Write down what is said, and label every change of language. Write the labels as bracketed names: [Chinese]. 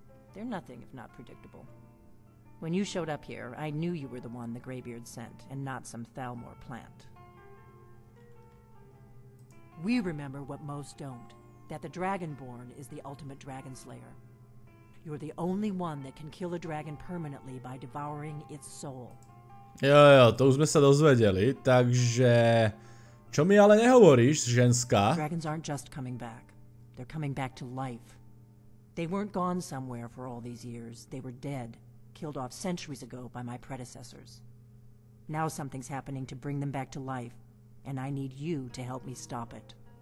[English] They're nothing if not predictable. When you showed up here, I knew you were the one the Greybeards sent and not some Thalmor plant. We remember what most don't, that the Dragonborn is the ultimate dragon slayer. You're the only one that can kill a dragon permanently by devouring its soul. [Slovak] Jojo, to už sme sa dozvedeli, takže... Čo mi ale nehovoríš, ženská? [English] Dragons aren't just coming back. They're coming back to life. They weren't gone somewhere for all these years. They were dead, killed off centuries ago by my predecessors. Now something's happening to bring them back to life, and I need you to help me stop it.